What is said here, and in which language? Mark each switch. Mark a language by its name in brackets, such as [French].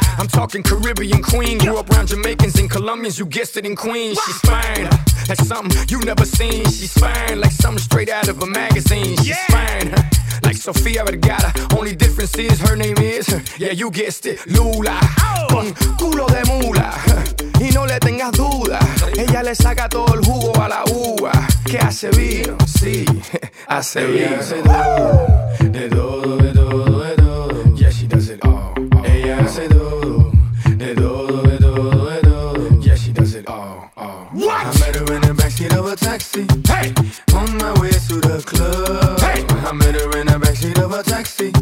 [English] I'm talking Caribbean queen. Grew up around Jamaicans and Colombians. You guessed it, in Queens. She's fine. Like something you've never seen. She's fine. Like something straight out of a magazine. She's fine. Like Sofia Vergara. Only difference is her name is, yeah, you guessed it, Lula. [Spanish] Con culo de mula. Y no le tengas duda. Ella le saca todo el jugo a la uva. Que hace vino, sí, hace vino. Ella hace todo, de todo, de todo, de todo. [English] Yeah, she does it all. [Spanish] Ella hace todo, de todo, de todo, de todo. [English] Yeah, she does it all. What? I met her in the backseat of a taxi. Hey, on my way to the club. Hey, I met her in the backseat of a taxi.